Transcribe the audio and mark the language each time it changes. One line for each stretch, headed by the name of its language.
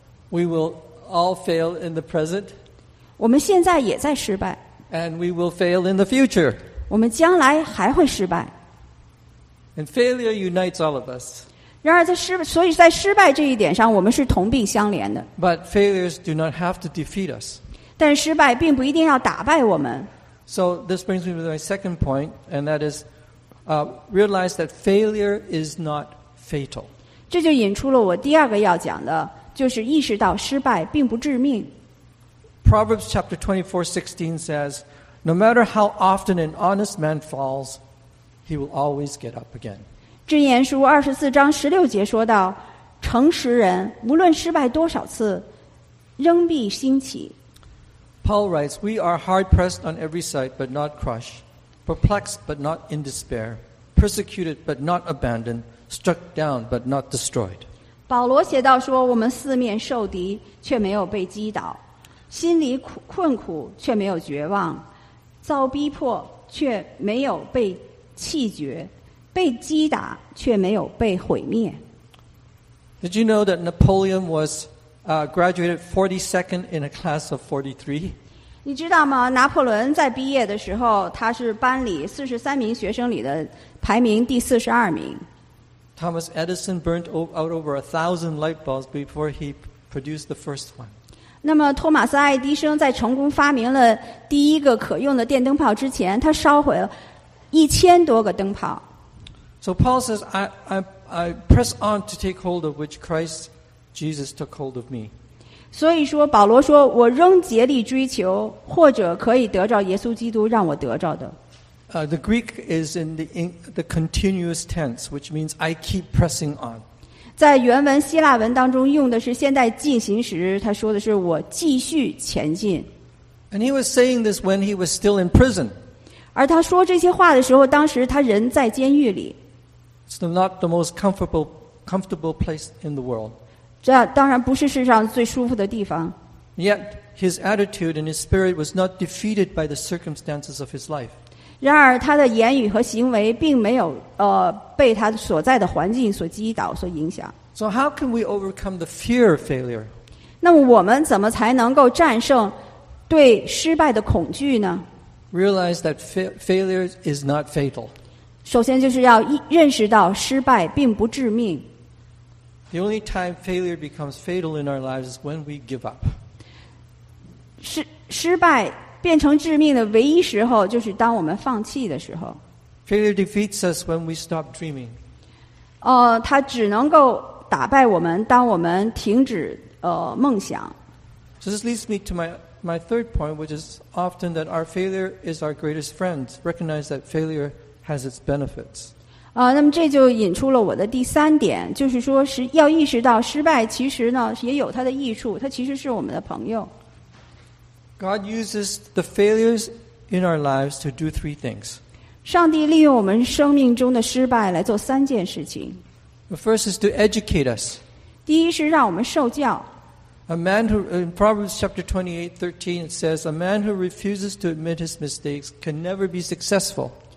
English: We will all fail in the present.
Chinese: 我们现在也在失败。
English: And we will fail in the future.
Chinese: 我们将来还会失败。
English: And failure unites all of us.
Chinese: 然而在失败，所以在失败这一点上，我们是同病相怜的。
English: But failures do not have to defeat us.
Chinese: 但失败并不一定要打败我们。
English: So this brings me to my second point, and that is, realize that failure is not fatal.
Chinese: 这就引出了我第二个要讲的，就是意识到失败并不致命。
English: Proverbs chapter 24:16 says, "No matter how often an honest man falls, he will always get up again."
Chinese: 箴言书二十四章十六节说到，诚实人无论失败多少次，仍必兴起。
English: Paul writes, "We are hard pressed on every side, but not crushed; perplexed, but not in despair; persecuted, but not abandoned; struck down, but not destroyed."
Chinese: 保罗写道说，我们四面受敌，却没有被击倒；心里困苦，却没有绝望；遭逼迫，却没有被弃绝；被击打，却没有被毁灭。
English: Did you know that Napoleon was graduated 42nd in a class of 43?
Chinese: 你知道吗？拿破仑在毕业的时候，他是班里43名学生里的排名第42名。
English: Thomas Edison burnt out over 1,000 light bulbs before he produced the first one.
Chinese: 那么托马斯·爱迪生在成功发明了第一个可用的电灯泡之前，他烧毁了1000多个灯泡。
English: So Paul says, I press on to take hold of which Christ Jesus took hold of me.
Chinese: 所以说保罗说，我仍竭力追求，或者可以得着耶稣基督让我得着的。
English: The Greek is in the continuous tense, which means I keep pressing on.
Chinese: 在原文希腊文当中用的是现在进行时，他说的是我继续前进。
English: And he was saying this when he was still in prison.
Chinese: 而他说这些话的时候，当时他人在监狱里。
English: It's not the most comfortable place in the world.
Chinese: 这当然不是世上最舒服的地方。
English: Yet his attitude and his spirit was not defeated by the circumstances of his life.
Chinese: 然而他的言语和行为并没有被他所在的环境所击倒所影响。
English: So how can we overcome the fear of failure?
Chinese: 那么我们怎么才能够战胜对失败的恐惧呢?
English: Realize that failure is not fatal.
Chinese: 首先就是要认识到失败并不致命。
English: The only time failure becomes fatal in our lives is when we give up.
Chinese: 失败变成致命的唯一时候，就是当我们放弃的时候。
English: Failure defeats us when we stop dreaming.
Chinese: 它只能够打败我们，当我们停止梦想。
English: So this leads me to my third point, which is often that our failure is our greatest friend. Recognize that failure has its benefits.
Chinese: 那么这就引出了我的第三点，就是说是要意识到失败其实呢也有它的益处，它其实是我们的朋友。
English: God uses the failures in our lives to do three things.
Chinese: 上帝利用我们生命中的失败来做三件事情。
English: The first is to educate us.
Chinese: 第一是让我们受教。
English: A man who, in Proverbs chapter 28:13, it says, "A man who refuses to admit his mistakes can never be successful."